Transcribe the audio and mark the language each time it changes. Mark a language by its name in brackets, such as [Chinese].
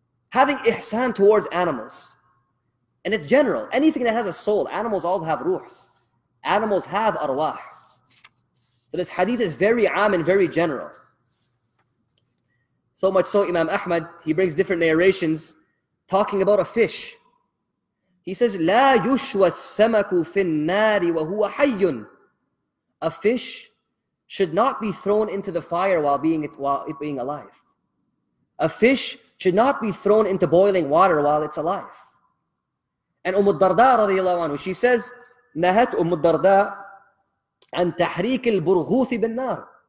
[English] Having ihsan towards animals, and it's general, anything that has a soul, animals all have ruhs, animals have arwah. So this hadith is very am and very general. So much so, Imam Ahmad, he brings different narrations talking about a fish. He says, [Arabic] لا يشوى السمك في النار وهو حي. [English] A fish should not be thrown into the fire while it being alive. A fish should not be thrown into boiling water while it's alive. And Umm al-Darda radiallahu anhu, she says, [Arabic] نهت أم الدرداء عن تحريك البرغوث بالنار.